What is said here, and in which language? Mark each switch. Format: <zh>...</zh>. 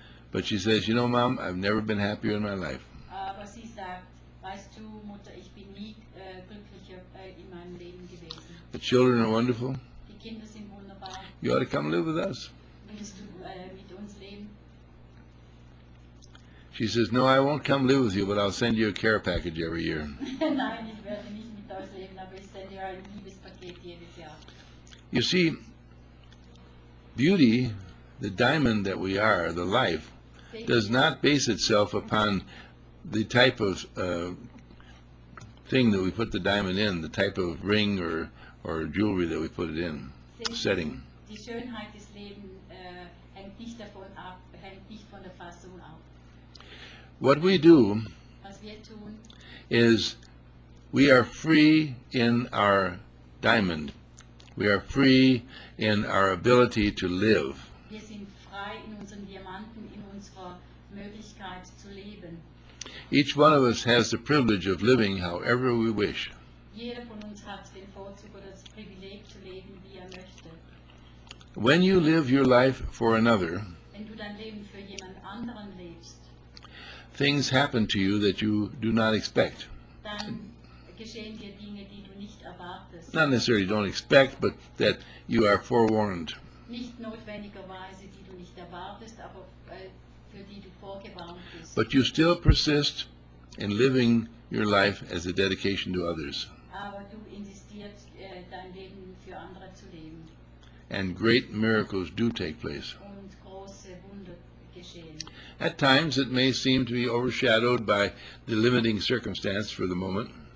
<en>But she says, you know, Mom, I've never been happier in my life.</en> <de>Aber sie sagt, weißt du, Mutter, ich bin nie glücklicher in meinem Leben gewesen.</de> <en>The children are wonderful.</en> <de>Die Kinder sind wunderbar.</de> <en>You ought to come live with us.</en> <de>Willst du mit uns leben?</de> <en>She says, no, I won't come live with you, but I'll send you a care package every year.</en> <de>Nein, ich werde nicht mit euch leben, aber ich sende dir ein Liebespaket jedes Jahr.</de> <en>You see, beauty, the diamond that we are, the life, does not base itself upon the type of thing that we put the diamond in, the type of ring or jewelry that we put it in, setting.</en> <de>Die Schönheit des Lebens hängt nicht davon ab, hängt nicht von der Fassung ab.</de> <en>What we do,</en> <de>was wir tun,</de> <en>is we are free in our diamond. We are free in our ability to live.</en> <de>Wir sind frei in unseren Diamanten, in unserer Möglichkeit zu leben.</de> <en>Each one of us has the privilege of living however we wish.</en> <de>Jeder von uns hat den Vorzug oder das Privileg zu leben, wie er möchte.</de> <en>When you live your life for another,</en> <de>wenn du dein Leben für jemand anderen lebst,</de> <en>things happen to you that you do not expect.</en> <de>Dann geschehen dir Dinge, die du nicht erwartest.</de> <en>Not necessarily don't expect, but that you are forewarned.</en> <de>Nicht notwendigerweise, die du nicht erwartest, aber für die du vorgewarnt bist.</de> <en>But you still persist in living your life as a dedication to others.</en> <de>Aber du insistierst, dein Leben für andere zu leben.</de> <en>And great miracles do take place.</en> <de>Und große Wunder geschehen.</de> <en>At times it may seem to be overshadowed by the limiting circumstance for the moment.</en>